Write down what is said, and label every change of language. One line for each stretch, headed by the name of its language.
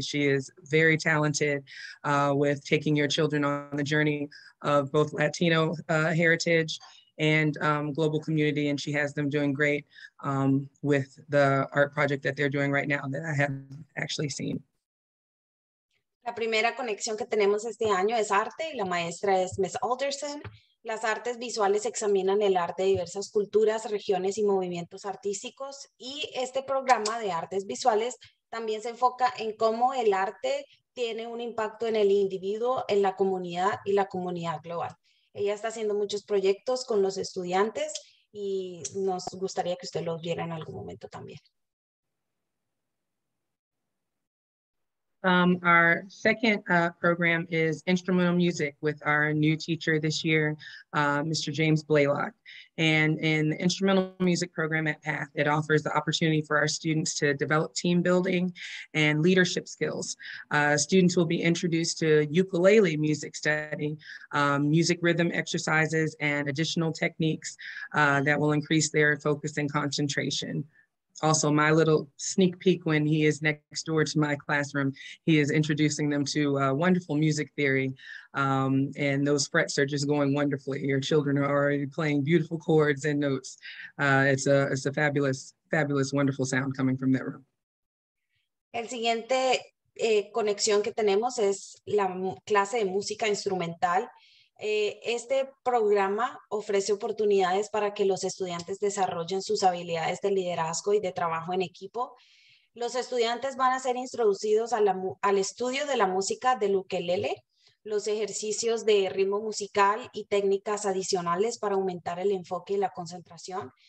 English: She is very talented with taking your children on the journey of both Latino heritage and global community, and she has them doing great with the art project that they're doing right now that I have actually seen.
Spanish: La primera conexión que tenemos este año es arte, y la maestra es Miss Alderson. Las artes visuales examinan el arte de diversas culturas, regiones y movimientos artísticos, y este programa de artes visuales también se enfoca en cómo el arte tiene un impacto en el individuo, en la comunidad y la comunidad global. Ella está haciendo muchos proyectos con los estudiantes y nos gustaría que usted los viera en algún momento también.
English: Our second program is instrumental music with our new teacher this year, Mr. James Blaylock. And in the instrumental music program at PATH, it offers the opportunity for our students to develop team building and leadership skills. Students will be introduced to ukulele music study, music rhythm exercises, and additional techniques that will increase their focus and concentration. Also, my little sneak peek when he is next door to my classroom, he is introducing them to wonderful music theory. And those frets are just going wonderfully. Your children are already playing beautiful chords and notes. It's a fabulous, fabulous, wonderful sound coming from that room.
Spanish: El siguiente conexión que tenemos es la clase de música instrumental. Este programa ofrece oportunidades para que los estudiantes desarrollen sus habilidades de liderazgo y de trabajo en equipo. Los estudiantes van a ser introducidos al estudio de la música del ukelele, los ejercicios de ritmo musical y técnicas adicionales para aumentar el enfoque y la concentración.